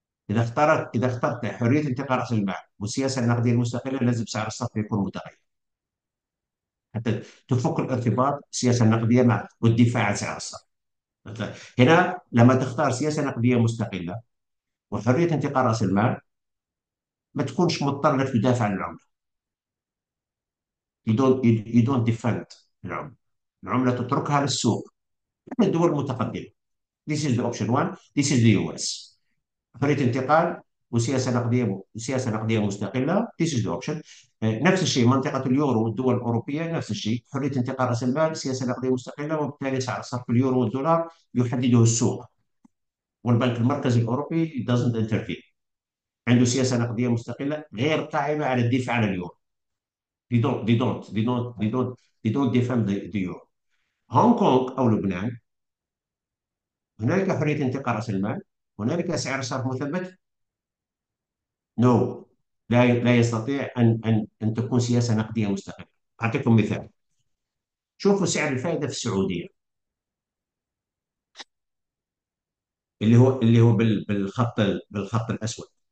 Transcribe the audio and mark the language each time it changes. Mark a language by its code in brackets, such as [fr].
[ar] إذا اخترت حرية انتقال رأس المال والسياسة النقدية المستقلة، لازم سعر الصرف يكون متغير حتى تفك الارتباط السياسة النقدية مع والدفاع عن سعر الصرف. هنا لما تختار سياسة نقدية مستقلة وحرية انتقال رأس المال، ما تكونش مضطر انك تدافع عن العملة. [en] You don't defend العملة. [ar] العملة تتركها للسوق من الدول المتقدمة. [en] This is the option one. This is the US. [ar] حرية انتقال وسياسة نقدية مستقلة، [en] this is the option. [ar] نفس الشيء منطقة اليورو والدول الأوروبية، نفس الشيء، حرية انتقال رأس المال، سياسة نقدية مستقلة، وبالتالي سعر صرف اليورو والدولار يحدده السوق، والبنك المركزي الأوروبي [en] doesn't intervene، [ar] عنده سياسة نقدية مستقلة غير قائمة على الدفاع عن اليورو. [en] They don't defend the euro. [ar] هونغ كونغ أو لبنان، هناك حرية انتقال رأس المال، هناك سعر صرف مثبت. [en] No no. [ar] لا يستطيع ان تكون سياسه نقديه مستقله. اعطيكم مثال، شوفوا سعر الفائده في السعوديه اللي هو بالخط الاسود.